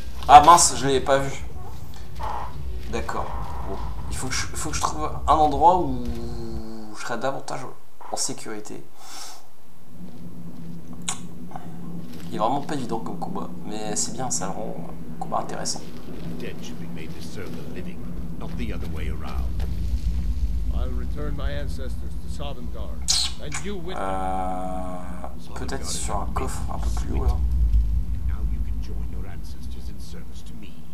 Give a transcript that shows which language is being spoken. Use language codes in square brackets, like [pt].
[fr] Ah mince, je l'avais pas vu. D'accord. Il faut que je trouve un endroit où je serai davantage en sécurité. Il est vraiment pas évident comme combat, mais c'est bien, ça le rend un combat intéressant. [en] Dead should be made to serve the living, not the other way around. I'll return my ancestors to Sovngarde, and you with them. [fr] Peut-être sur un coffre un peu plus haut là. [en] Now you can join your ancestors in service to me.